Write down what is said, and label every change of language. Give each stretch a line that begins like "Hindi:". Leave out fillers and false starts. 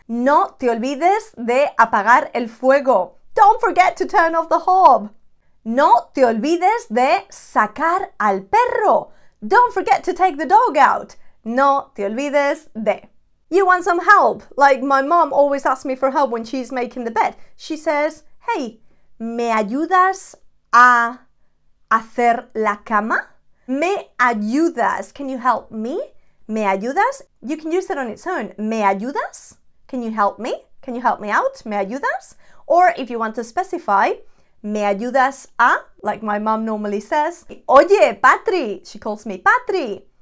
Spanish: No te olvides de apagar el fuego.
English: Don't forget to turn off the hob.
Spanish: No te olvides de sacar al perro.
English: Don't forget to take the dog out.
Spanish: No te olvides de.
English: You want some help? Like my mom always asks me for help when she's making the bed. She says, hey,
Spanish: ¿me ayudas a hacer la cama? Me ayudas,
English: can you help me?
Spanish: Me ayudas,
English: you can use it on its own.
Spanish: Me ayudas,
English: can you help me? Can you help me out?
Spanish: Me ayudas?
English: Or if you want to specify,
Spanish: me ayudas a,
English: like my mom normally says,
Spanish: oye, Patri,
English: she calls me Patri.